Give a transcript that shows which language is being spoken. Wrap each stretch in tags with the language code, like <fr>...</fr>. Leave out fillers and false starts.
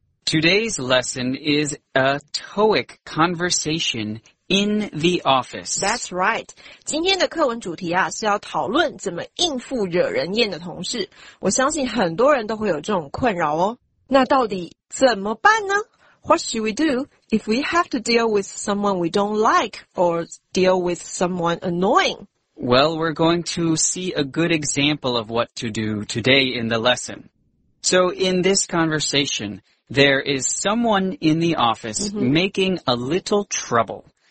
<en>Today's lesson is a TOEIC conversation in the office. That's right.</en> <zh>今天的课文主题啊，是要讨论怎么应付惹人厌的同事。我相信很多人都会有这种困扰哦。那到底怎么办呢？</zh> <en>What should we do if we have to deal with someone we don't like or deal with someone annoying? Well, we're going to see a good example of what to do today in the lesson. So in this conversation, there is someone in the office making a little trouble.</en>